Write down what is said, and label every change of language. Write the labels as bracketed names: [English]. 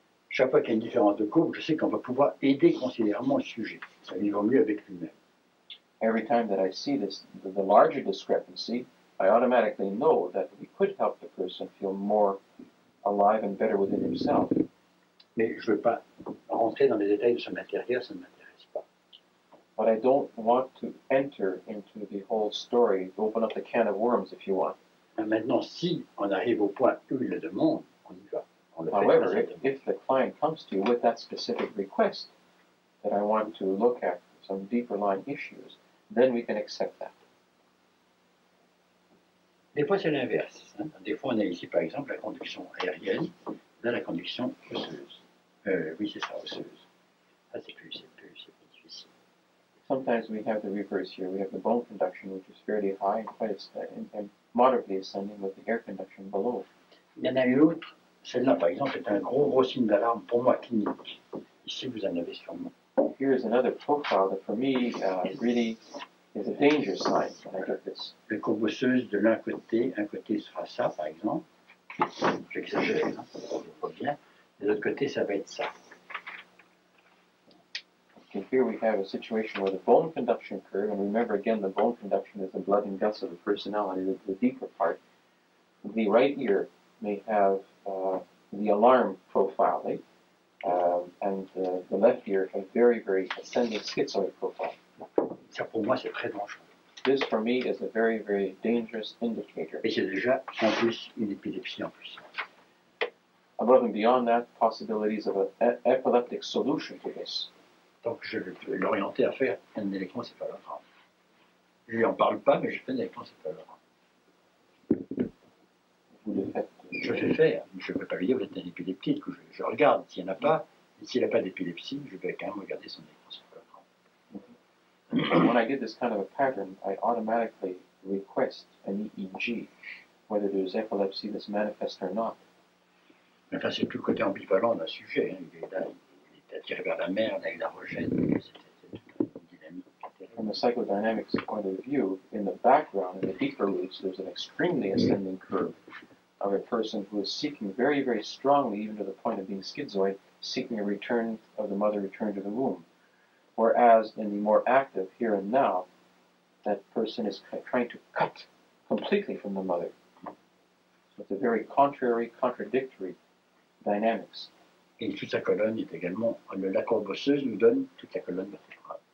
[French] Chaque fois qu'il y a une différence de courbe, je sais qu'on va pouvoir aider considérablement le sujet. Ça ira mieux avec lui-même. [English] Every time that I see this, the larger discrepancy, I automatically know that we could help the person feel more alive and better within himself. [French] Mais je ne veux pas rentrer dans les détails de son intérieur, ça ne m'intéresse pas. [English] But I don't want to enter into the whole story, open up the can of worms, if you want. [French] Mais maintenant, si on arrive au point où il le demande, on y va. [English] However, if the client comes to you with that specific request that I want to look at some deeper line issues, then we can accept that. [French] Des fois, c'est l'inverse. Hein? Des fois, on a ici, par exemple, la conduction aérienne dans la conduction osseuse. Oui, c'est ça, osseuse. Ah, c'est plus difficile. [English] Sometimes we have the reverse here. We have the bone conduction, which is fairly high and quite ascending, and moderately ascending with the air conduction below. [French] Il y en a une autre. Celle-là, par exemple, est un gros signe d'alarme pour moi clinique. Ici, vous en avez sûrement. [English] Here is another profile that for me really is a danger sign when I get this. [French] Les courbes osseuses de l'un côté, un côté sera ça, par exemple. J'exagère, hein, on voit bien. De l'autre côté, ça va être ça. [English] Okay, here we have a situation where the bone conduction curve, and remember again, the bone conduction is the blood and guts of the personality, the deeper part. The right ear may have the alarm profile, the left ear a very, very ascending schizoid profile. [French] Ça pour moi c'est très dangereux. [English] This for me is a very, very dangerous indicator. [French] Et c'est déjà en plus une épilepsie en plus. [English] Above and beyond that, possibilities of an epileptic solution to this. [French] Donc je vais l'orienter à faire un électroencéphalogramme. Je n'en parle pas, mais je fais un électroencéphalogramme. Vous le faites. Je vais faire, je ne vais pas lui dire, vous êtes un épileptique, je regarde, s'il n'y en a pas, s'il n'a pas d'épilepsie, je vais quand même regarder son électroencéphalogramme. [English] When I get this kind of a pattern, I automatically request an EEG, whether there's epilepsy that's manifest or not. [French] Enfin, c'est tout le côté ambivalent d'un sujet, hein. Il est attiré vers la mer, avec la rejette, c'est une dynamique. [English] From a psychodynamics point of view, in the background, in the deeper roots, there's an extremely ascending curve. Of a person who is seeking very, very strongly, even to the point of being schizoid, seeking a return of the mother return to the womb. Whereas in the more active here and now, that person is trying to cut completely from the mother. So it's a very contradictory dynamics. [French] Et toute sa colonne est également, la courbe osseuse nous donne toute la colonne vertébrale.